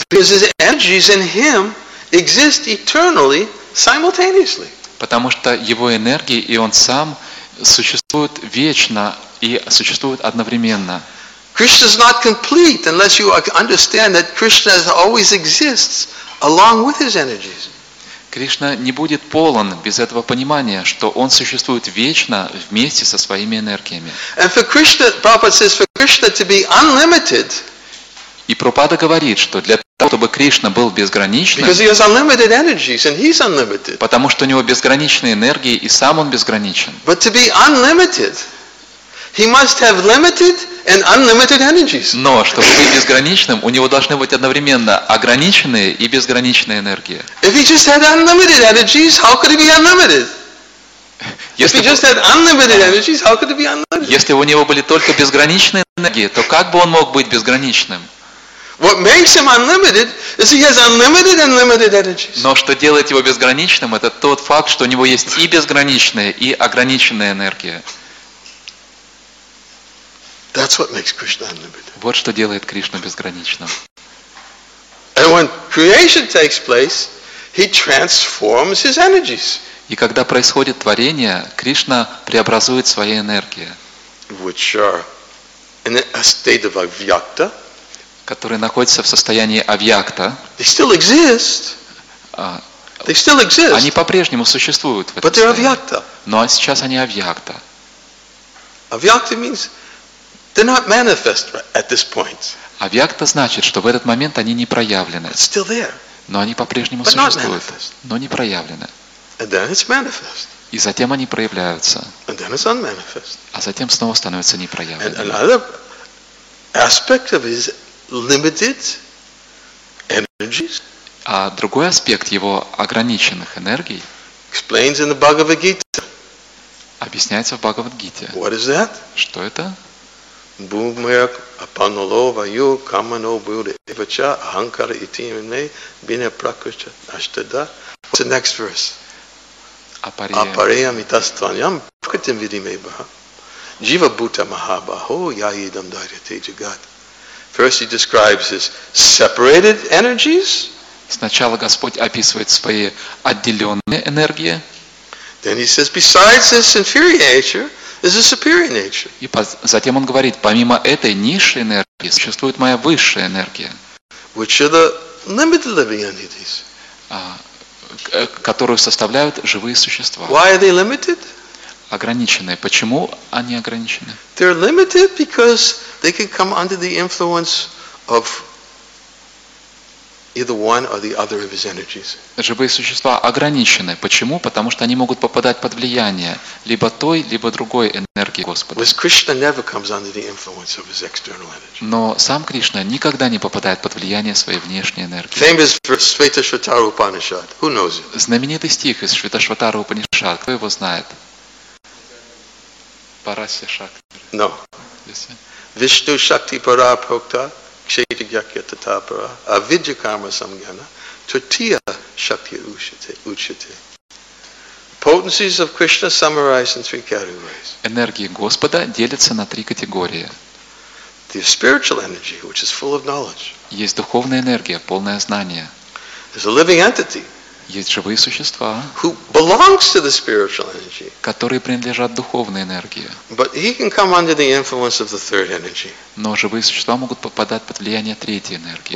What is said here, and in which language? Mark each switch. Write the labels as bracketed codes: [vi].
[en] Because his energies in him exist eternally, simultaneously. [ru] Потому что его энергии и он сам существуют вечно и существуют одновременно. [en] Krishna is not complete unless you understand that Krishna always exists along with his energies. [ru] Кришна не будет полон без этого понимания, что он существует вечно вместе со своими энергиями. [en] And for Krishna, Prabhupada says, for Krishna to be unlimited. [ru] И Прабхупада говорит, что для того, чтобы Кришна был безграничным. [en] Because he has unlimited energies and he's unlimited. [ru] Потому что у него безграничные энергии и сам он безграничен. [en] But to be unlimited. He must have limited and unlimited energies. [ru] Но чтобы быть безграничным, у него должны быть одновременно ограниченные и безграничные энергии. [en] If he just had unlimited energies, how could he be unlimited? [ru] Если [en] he just had unlimited energies, how could he be unlimited? [ru] Если у него были только безграничные энергии, то как бы он мог быть безграничным? [en] What makes him unlimited is he has unlimited and limited energies. [ru] Но что делает его безграничным, это тот факт, что у него есть и безграничная, и ограниченная энергия. [en] That's what makes Krishna unlimited. [ru] Вот что делает Кришну безграничным. [en] And when creation takes place, he transforms his energies. [ru] И когда происходит творение, Кришна преобразует свои энергии. [en] Which are in a state of avyakta. [ru] Которые находятся в состоянии авьякта. [en] They still exist. They still exist. [ru] Они по-прежнему существуют в этом состоянии. [en] But they're avyakta. [ru] Но сейчас они авьякта. [en] Avyakta means they're not manifest at this point. [ru] Авьякта значит, что в этот момент они не проявлены. [en] But still there. [ru] Но они по-прежнему существуют, но не проявлены. [en] And then it's manifest. [ru] И затем они проявляются. [en] And then it's unmanifest. [ru] А затем снова становятся непроявленными. [en] And another aspect of his limited energies. [ru] А другой аспект его ограниченных энергий [en] explains in the Bhagavad Gita. [ru] Объясняется в Бхагавад-гите. [en] What is that? [ru] Что это? [sa] Бумяк апанолова ю камано буде вача ахамкара ити мне бине пракрича аштада. [en] What's the next verse? [sa] Апареям итастваням пракритим видиме баха. Жива бута махабахо я едам дарите джагат. [en] First, he describes his separated energies. [ru] Сначала Господь описывает свои отделенные энергии. [en] Then he says, besides this inferior nature, is a superior nature. [ru] И затем он говорит, помимо этой низшей энергии существует моя высшая энергия. [en] Which are the limited living entities? [ru] Которую составляют живые существа. [en] Why are they limited? [ru] Ограниченные. Почему они ограничены? [en] They're limited because they can come under the influence of either one or the other of his energies. [ru] Живые существа ограничены. Почему? Потому что они могут попадать под влияние либо той, либо другой энергии Господа. [en] But Krishna never comes under the influence of his external energy. [ru] Но сам Кришна никогда не попадает под влияние своей внешней энергии. [en] Famous verse, Shvetashvatara Upanishad. Who knows it? [ru] Знаменитый стих из Шветашватара Упанишад. Кто его знает? [sa] Парасья Шакти. [en] No. [sa] Вишну Шакти Пара Прокта Кшети Гьякья Тата Пара Авиджа Карма Самгьяна Тотия Шакти Учите. [en] Potencies of Krishna summarized in three categories. [ru] Энергии Господа делятся на три категории. [en] The spiritual energy, which is full of knowledge. [ru] Есть духовная энергия, полное знание. [en] There's a living entity. [ru] Есть живые существа, [en] who belongs to the spiritual energy, [ru] которые принадлежат духовной энергии. [en] But he can come under the influence of the third energy, [ru] но живые существа могут попадать под влияние третьей энергии,